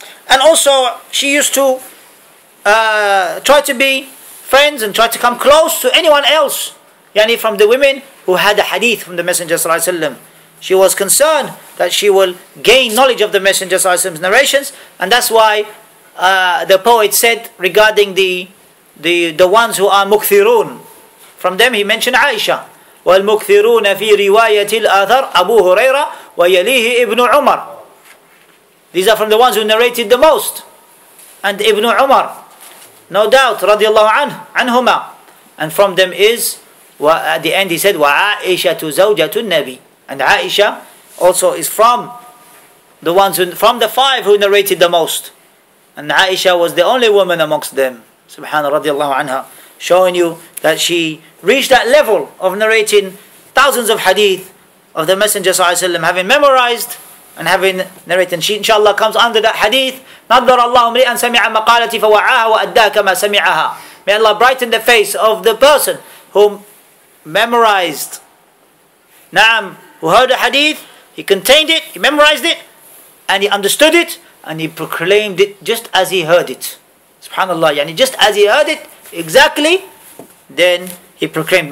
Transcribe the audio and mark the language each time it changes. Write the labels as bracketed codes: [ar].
[en] And also she used to try to be friends and try to come close to anyone else, yani from the women who had a hadith from the Messenger صلى الله عليه وسلم. She was concerned that she will gain knowledge of the Messenger صلى الله عليه وسلم's narrations, and that's why the poet said regarding the ones who are mukthirun, from them he mentioned Aisha. [ar] والمكثرون في رواية الآثار أبو هريرة ويليه ابن عمر. [en] These are from the ones who narrated the most, and Ibn Umar, no doubt, radiallahu anhuma, and from them is, at the end he said, [ar] wa Aisha tu zawjatu nabi, [en] and Aisha also is from the ones who, from the five who narrated the most, and Aisha was the only woman amongst them, subhanahu radiallahu anha, showing you that she reached that level of narrating thousands of hadith of the Messenger sallallahu alaihi wasallam, having memorized and having narrated. She inshallah comes under that hadith, [ar] نَظَّرَ اللَّهُ مْرِئًا سَمِعَ مَقَالَتِ فَوَعَاهَا وَأَدَّاهَا كَمَا سَمِعَهَا. [en] May Allah brighten the face of the person who memorized, نعم, who heard the hadith, he contained it, he memorized it, and he understood it, and he proclaimed it just as he heard it. SubhanAllah, yani just as he heard it, exactly, then he proclaimed.